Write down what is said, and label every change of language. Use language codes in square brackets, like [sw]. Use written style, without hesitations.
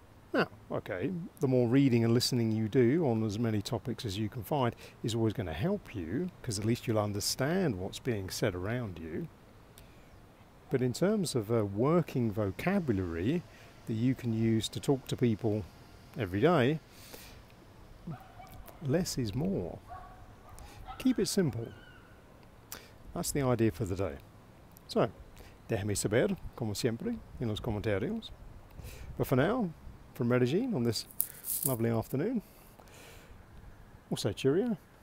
[en] Now, okay, the more reading and listening you do on as many topics as you can find is always going to help you, because at least you'll understand what's being said around you. But in terms of a working vocabulary that you can use to talk to people every day, less is more. Keep it simple. That's the idea for the day. [es] So, déjame saber, como siempre, en los comentarios. [en] But for now, from Medellín on this lovely afternoon, we'll say cheerio.